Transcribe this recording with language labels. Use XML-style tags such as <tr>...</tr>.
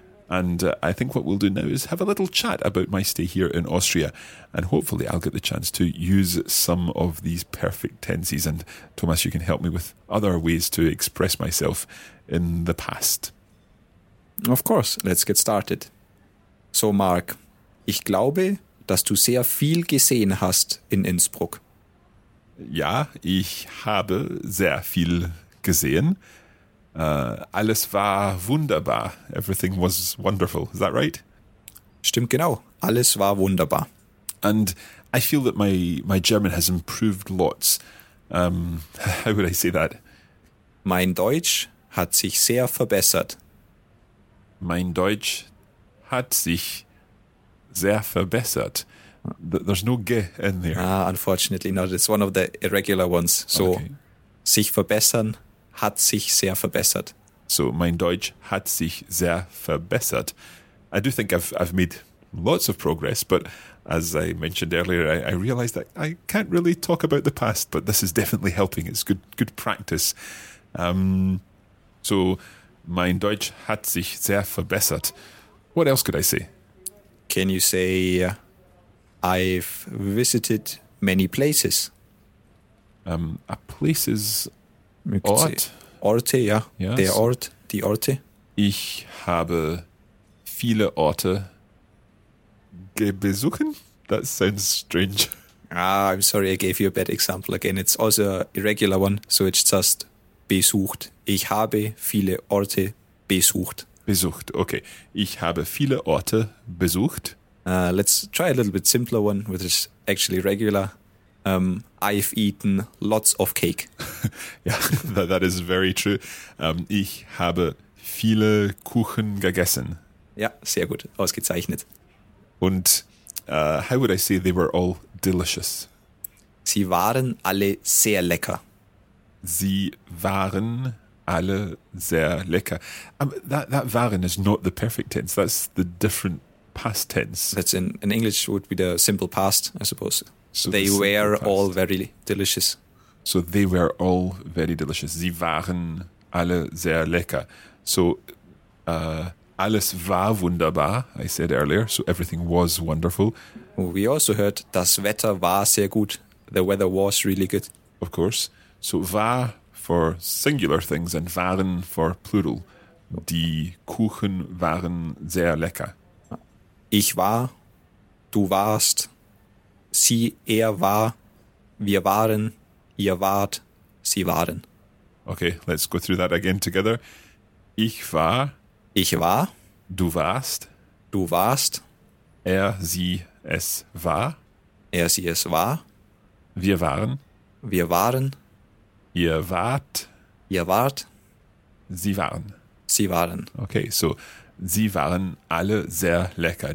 <en>And I think what we'll do now is have a little chat about my stay here in Austria. And hopefully I'll get the chance to use some of these perfect tenses. And Thomas, you can help me with other ways to express myself in the past. Of course, let's get started.</en> <de>So, Mark, ich glaube, dass du sehr viel gesehen hast in Innsbruck. Ja, ich habe sehr viel gesehen. Alles war wunderbar.</de> <en>Everything was wonderful. Is that right?</en> <de>Stimmt genau. Alles war wunderbar.</de> <en>And I feel that my German has improved lots. How would I say that?</en> <de>Mein Deutsch hat sich sehr verbessert. Mein Deutsch hat sich sehr verbessert.</de> <en>There's no ge in there. Unfortunately not. It's one of the irregular ones.</en> <de>So, okay. Sich verbessern. Hat sich sehr verbessert. So, mein Deutsch hat sich sehr verbessert.</de> <en>I do think I've made lots of progress, but as I mentioned earlier, I realized that I can't really talk about the past, but this is definitely helping. It's good practice.</en> <de>So, mein Deutsch hat sich sehr verbessert.</de> <en>What else could I say? Can you say, I've visited many places? Places...</en> <de>Orte, ja. Yes. Der Ort, die Orte. Ich habe viele Orte besuchen.</de> <en>That sounds strange. I'm sorry, I gave you a bad example again. It's also an irregular one, so it's just besucht.</en> <de>Ich habe viele Orte besucht. Besucht, okay. Ich habe viele Orte besucht.</de> <en>Let's try a little bit simpler one, which is actually regular. I've eaten lots of cake. Yeah, that is very true.</en> <de>Ich habe viele Kuchen gegessen. Ja, sehr gut. Ausgezeichnet.</de> <en>Und how would I say they were all delicious?</en> <de>Sie waren alle sehr lecker. Sie waren alle sehr lecker.</de> <en>That waren is not the perfect tense. That's the different past tense. That's in English would be the simple past, I suppose. So they were all very delicious. So they were all very delicious.</en> <de>Sie waren alle sehr lecker. So alles war wunderbar,</de> <en>I said earlier. So everything was wonderful. We also heard</en> <de>das Wetter war sehr gut.</de> <en>The weather was really good. Of course. So war for singular things and waren for plural.</en> <de>Die Kuchen waren sehr lecker. Ich war, du warst, sie, er war, wir waren, ihr wart, sie waren.</de> <en>Okay, let's go through that again together.</en> <de>Ich war, du warst, er, sie, es war, wir waren, ihr wart, sie waren. Sie waren. Okay, so sie waren alle sehr lecker.</de>